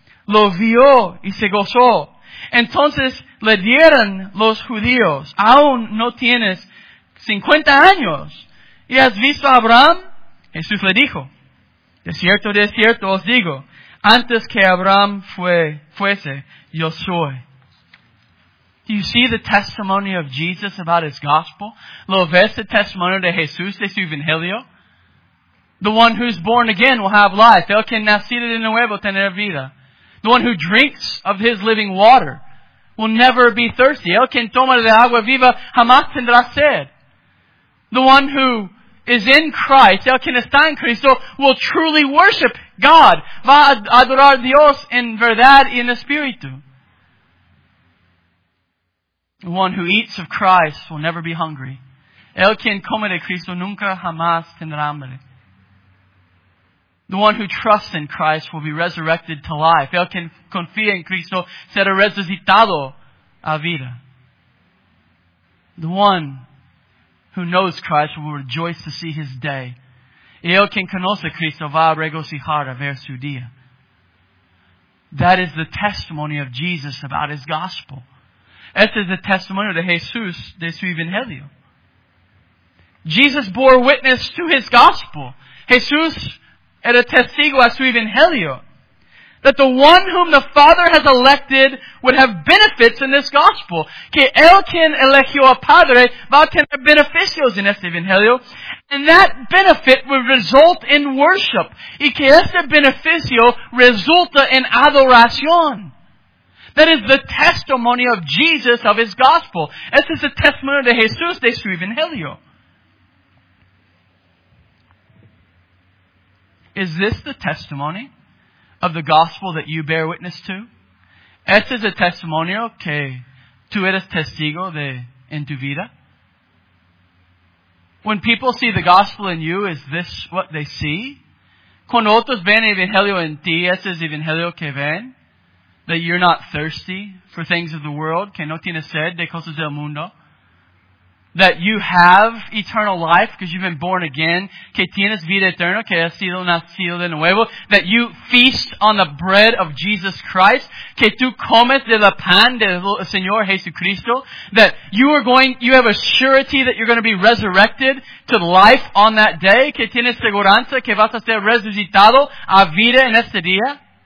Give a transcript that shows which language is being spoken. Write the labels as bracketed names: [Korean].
[Spanish] Lo vio y se gozó. Entonces le dieron los judíos, aún no tienes 50 años, ¿y has visto a Abraham? Jesús le dijo, de cierto os digo, antes que Abraham fuese, yo soy. [English] Do you see the testimony of Jesus about His gospel? [Spanish] ¿Lo ves el testimonio de Jesús de su Evangelio? [English] The one who's born again will have life. [Spanish] El que nacido de nuevo tendrá vida. [English] The one who drinks of His living water will never be thirsty. [Spanish] El quien toma de agua viva jamás tendrá sed. [English] The one who is in Christ, [Spanish] el quien está en Cristo, [English] will truly worship God. [Spanish] Va a adorar Dios en verdad y en espíritu. [English] The one who eats of Christ will never be hungry. [Spanish] El quien come de Cristo nunca jamás tendrá hambre. [English] The one who trusts in Christ will be resurrected to life. [Spanish] El que confía en Cristo será resucitado a vida. [English] The one who knows Christ will rejoice to see His day. [Spanish] Y el que conoce a Cristo va a regocijar a ver su día. [English] That is the testimony of Jesus about His gospel. [Spanish] Este es el testimonio de Jesús de su Evangelio. [English] Jesus bore witness to His gospel. [Spanish] Jesús era testigo a su Evangelio, [English] that the one whom the Father has elected would have benefits in this gospel. [Spanish] Que el quien eligió a Padre va a tener beneficios en este Evangelio. [English] And that benefit would result in worship. [Spanish] Y que este beneficio resulta en adoración. [English] That is the testimony of Jesus of His gospel. [Spanish] Este es el testimonio de Jesús de su Evangelio. [English] Is this the testimony of the gospel that you bear witness to? [Spanish] ¿Este es el testimonio que tú eres testigo de en tu vida? [English] When people see the gospel in you, is this what they see? [Spanish] Cuando otros ven el evangelio en ti, ¿este es el evangelio que ven? [English] That you're not thirsty for things of the world, [Spanish] que no tienes sed de cosas del mundo. [English] That you have eternal life because you've been born again. [Spanish] Que tienes vida eterna, que has sido nacido de nuevo. [English] That you feast on the bread of Jesus Christ. [Spanish] Que tú comes de la pan del Señor Jesucristo. [English] That you have a surety that you're going to be resurrected to life on that day. [Spanish] Que tienes seguranza que vas a ser resucitado a vida en este día.